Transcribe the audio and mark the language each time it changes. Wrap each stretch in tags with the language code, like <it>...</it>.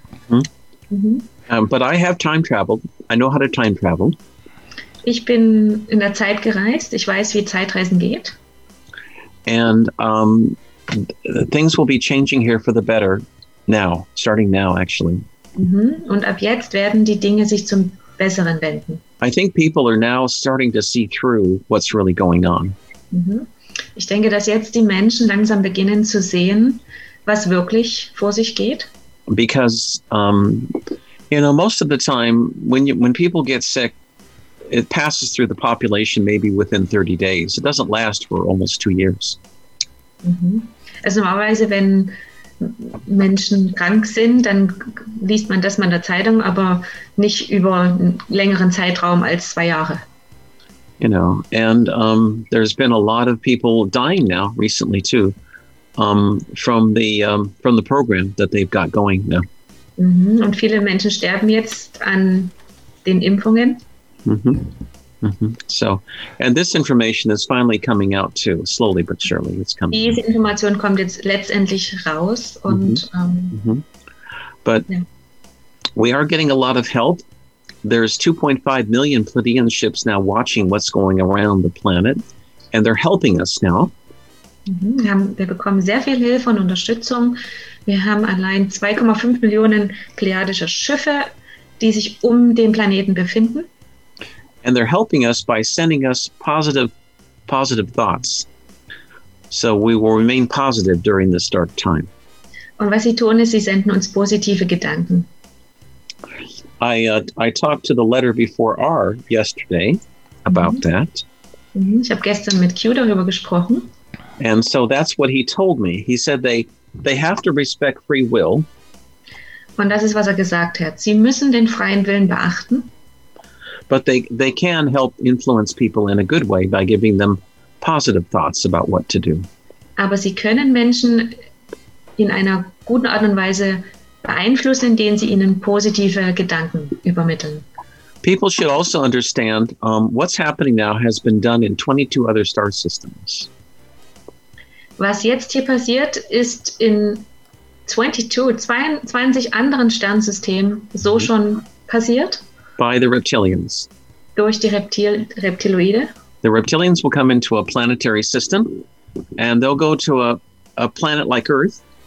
<en>Mm-hmm. But I have time traveled. I know how to time travel.</en> <de>Ich bin in der Zeit gereist. Ich weiß, wie Zeitreisen geht.</de> <en>And things will be changing here for the better now, starting now, actually. Mm-hmm.</en> <de>Und ab jetzt werden die Dinge sich zum Besseren wenden.</de> <en>I think people are now starting to see through what's really going on. Mm-hmm.</en> <de>Ich denke, dass jetzt die Menschen langsam beginnen zu sehen, was wirklich vor sich geht.</de> <en>Because, you know, most of the time, when people get sick, it passes through the population maybe within 30 days. It doesn't last for almost 2 years.</en> <de>Also normalerweise, wenn Menschen krank sind, dann liest man das mal in der Zeitung, aber nicht über einen längeren Zeitraum als 2 Jahre.</de> <en>You know, and there's been a lot of people dying now recently too, from the program that they've got going now.</en> <de>Und viele Menschen sterben jetzt an den Impfungen. Mm-hmm. Mm-hmm.</de> <en>So, and this information is finally coming out too, slowly but surely. It's coming.</en> <de>Diese Information kommt jetzt letztendlich raus. Und,</de> <en>mm-hmm. Mm-hmm. But yeah. We are getting a lot of help. There's 2.5 million Pleiadian ships now watching what's going around the planet, and they're helping us now.</en> <de>Wir bekommen sehr viel Hilfe und Unterstützung. Wir haben allein 2,5 Millionen pleiadische Schiffe, die sich um den Planeten befinden.</de> <en>And they're helping us by sending us positive thoughts. So we will remain positive during this dark time.</en> <de>Und was sie tun, ist, sie senden uns positive Gedanken.</de> <en>I talked to the letter before R yesterday about that.</en> <de>Ich habe gestern mit Q darüber gesprochen.</de> <en>And so that's what he told me. He said they have to respect free will.</en> <de>Und das ist, was er gesagt hat. Sie müssen den freien Willen beachten.</de> <en>But they can help influence people in a good way by giving them positive thoughts about what to do.</en> <de>Aber sie können Menschen in einer guten Art und Weise beeinflussen, indem sie ihnen positive Gedanken übermitteln.</de> <en>People should also understand what's happening now has been done in 22 other star systems.</en> <de>Was jetzt hier passiert, ist in 22 anderen Sternsystemen so schon passiert.</de> <en>By the reptilians.</en> <de>Durch die Reptiloide.</de> <en>The reptilians will come into a planetary system and they'll go to a planet like Earth.</en>